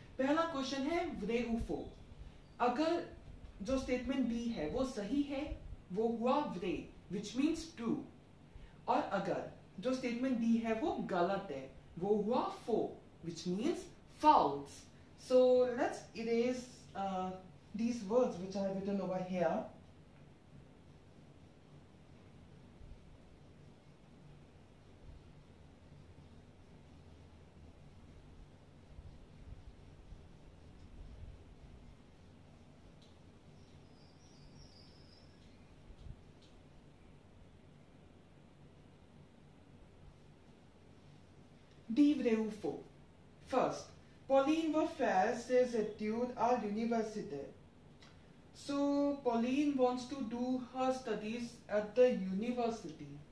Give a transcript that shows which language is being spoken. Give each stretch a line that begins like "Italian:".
Hindi: पहला क्वेश्चन है
French: व्रे उफो,
Hindi: अगर जो स्टेटमेंट बी है वो सही है, वो हुआ व्रे
English: which means true,
Hindi: और अगर जो स्टेटमेंट बी है वो गलत है, वो हुआ फो
English: Which means false. So let's erase these words which I have written over here. Divreufo. First,
French: Pauline va faire ses études à l'université.
English: So Pauline wants to do her studies at the university.